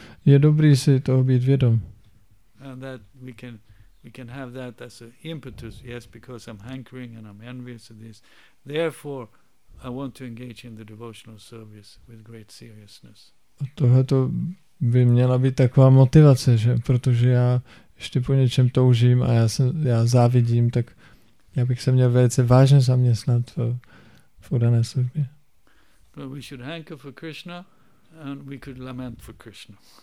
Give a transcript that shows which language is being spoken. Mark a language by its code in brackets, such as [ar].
[cs] Je dobrý si toho být vědom. [en] And that we can have that as an impetus, yes, because I'm hankering and I'm envious of this. Therefore, I want to engage in the devotional service with great seriousness. [cs] By měla být taková motivace, že? Protože já ještě po něčem toužím a já závidím, tak já bych se měl velice vážně zaměstnat v dané službě. [en] But we should hanker for Krishna and we could lament for Krishna.